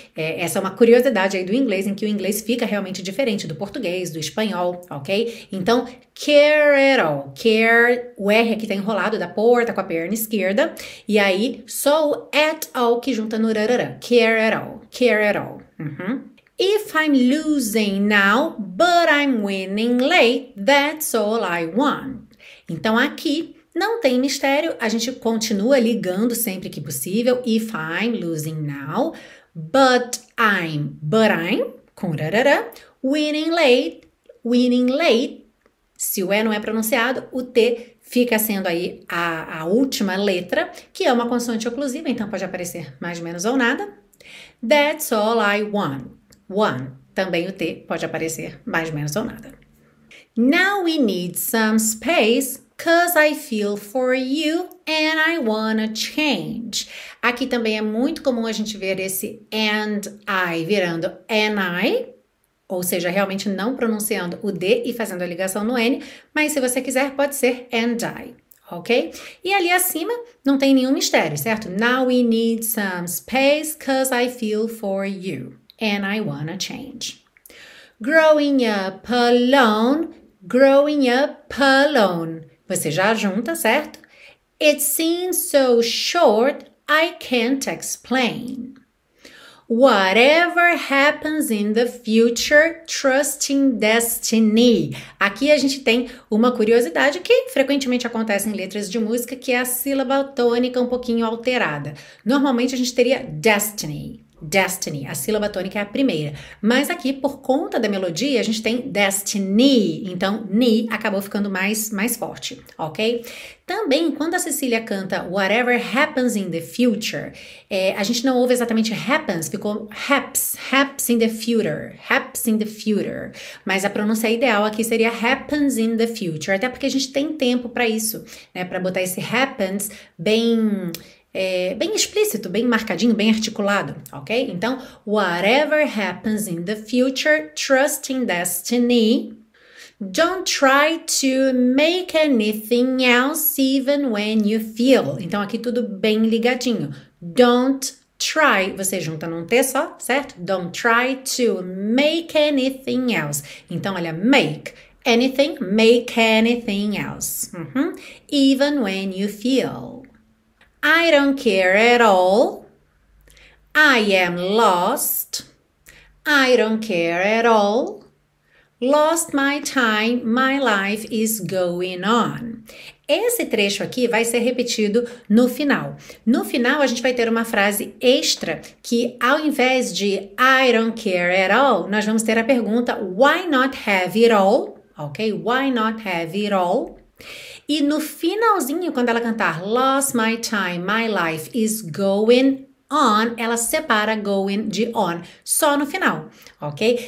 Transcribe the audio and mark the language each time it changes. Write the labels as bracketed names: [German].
[Portuguese] Essa é uma curiosidade aí do inglês, em que o inglês fica realmente diferente do português, do espanhol, ok? Então, [English] care at all. [Portuguese] Care, o R aqui tá enrolado da porta com a perna esquerda. E aí, só o [English] at all [Portuguese] que junta no rararã. [English] Care at all. Care at all. Uhum. If I'm losing now, but I'm winning late, that's all I want. [Portuguese] Então, aqui não tem mistério, a gente continua ligando sempre que possível. [English] If I'm losing now, but I'm, [Portuguese] com rarará, [English] winning late, [Portuguese] se o E não é pronunciado, o T fica sendo aí a última letra, que é uma consoante oclusiva, então pode aparecer mais, menos ou nada. [English] That's all I want, one, [Portuguese] também o T pode aparecer mais, menos ou nada. [English] Now we need some space, 'cause I feel for you and I wanna change. [Portuguese] Aqui também é muito comum a gente ver esse and I virando and I, ou seja, realmente não pronunciando o D e fazendo a ligação no N, mas se você quiser pode ser and I, ok? E ali acima não tem nenhum mistério, certo? [English] Now we need some space 'cause I feel for you and I wanna change. Growing up alone, growing up alone. [Portuguese] Você já junta, certo? [English] It seems so short, I can't explain. Whatever happens in the future, trust in destiny. [Portuguese] Aqui a gente tem uma curiosidade que frequentemente acontece em letras de música, que é a sílaba tônica um pouquinho alterada. Normalmente a gente teria destiny. Destiny, a sílaba tônica é a primeira. Mas aqui, por conta da melodia, a gente tem destiny. Então, ni acabou ficando mais forte, ok? Também, quando a Cecília canta [English] whatever happens in the future, [Portuguese] a gente não ouve exatamente happens, ficou [English] haps in the future, [Portuguese] haps in the future. Mas a pronúncia ideal aqui seria [English] happens in the future, [Portuguese] até porque a gente tem tempo para isso, né? Para botar esse happens bem... bem explícito, bem marcadinho, bem articulado, ok? Então, [English] whatever happens in the future, trust in destiny. Don't try to make anything else even when you feel. [Portuguese] Então, aqui tudo bem ligadinho. [English] Don't try, [Portuguese] você junta num T só, certo? [English] Don't try to make anything else. [Portuguese] Então, olha, [English] make anything else. Uhum. Even when you feel. I don't care at all, I am lost, I don't care at all, lost my time, my life is going on. [Portuguese] Esse trecho aqui vai ser repetido no final. No final, a gente vai ter uma frase extra que, ao invés de [English] I don't care at all, [Portuguese] nós vamos ter a pergunta [English] why not have it all, [Portuguese] ok? [English] Why not have it all? [Portuguese] E no finalzinho, quando ela cantar [English] lost my time, my life is going on, [Portuguese] ela separa going de on, só no final, ok?